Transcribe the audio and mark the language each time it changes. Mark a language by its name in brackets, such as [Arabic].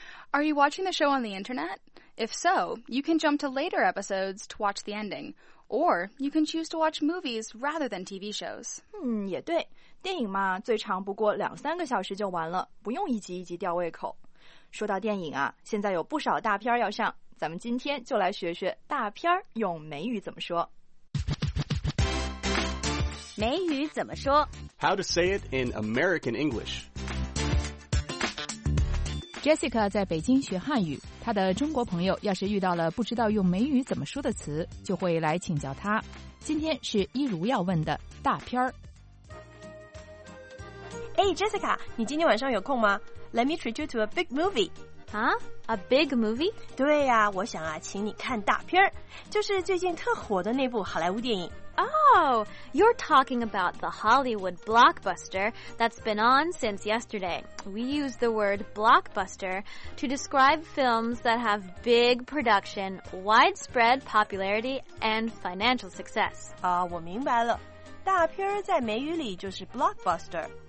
[English] Are you watching the show on the internet? If so, you can jump to later episodes to watch the ending, or you can choose to watch movies rather than TV shows. [Chinese] 也对，电影嘛，最长不过两三个小时就完了，不用一集一集吊胃口。说到电影啊，现在有不少大片要上，咱们今天就来学学大片用美语怎么说。美语怎么说 [English] ？How to say it in American English? [Chinese] Jessica 在北京学汉语，她的中国朋友要是遇到了不知道用美语怎么说的词，就会来请教她。今天是一如要问的大片。哎 ，Jessica， 你今天晚上有空吗？ [English] Let me treat you to a big movie. Huh? A big movie? [Chinese] 对呀、啊，我想啊，请你看大片儿，就是最近特火的那部好莱坞电影。 [English] Oh, you're talking about the Hollywood blockbuster that's been on since yesterday. We use the word blockbuster to describe films that have big production, widespread popularity, and financial success. [Chinese] 啊、我明白了，大片儿在美语里就是 blockbuster。